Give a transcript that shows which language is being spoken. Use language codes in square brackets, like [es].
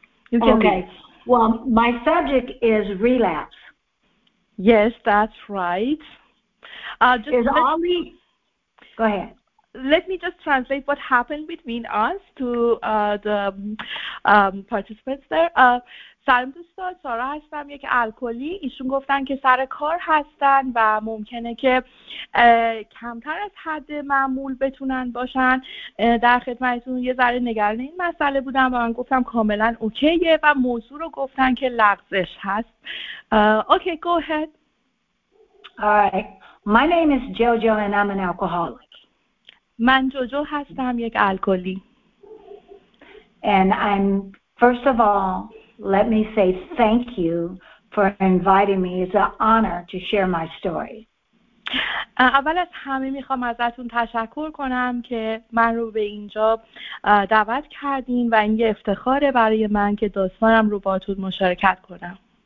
[en] You can okay. Leave. Well, my subject is relapse. Yes, that's right. Go ahead. Let me just translate what happened between us to the participants there. [fa] سلام دوستان، سارا هستم، یک الکلی. ایشون گفتن که سر کار هستن و ممکنه که کمتر از حد معمول بتونن باشن در خدمتتون. یه ذره نگران این مسئله بودن و من گفتم کاملا اوکیه و موضوع رو گفتن که لغزش هست. [en] Okay, go ahead. Alright. My name is Jojo and I'm an alcoholic. [fa] من جوجو هستم، یک الکلی. [en] And I'm, first of all, let me say thank you for inviting me. It's an honor to share my story. [fa] اول از همه میخوام ازتون تشکر کنم که من رو به اینجا دعوت کردین و این یه افتخاره برای من که داستانم رو باهاتون مشارکت کنم.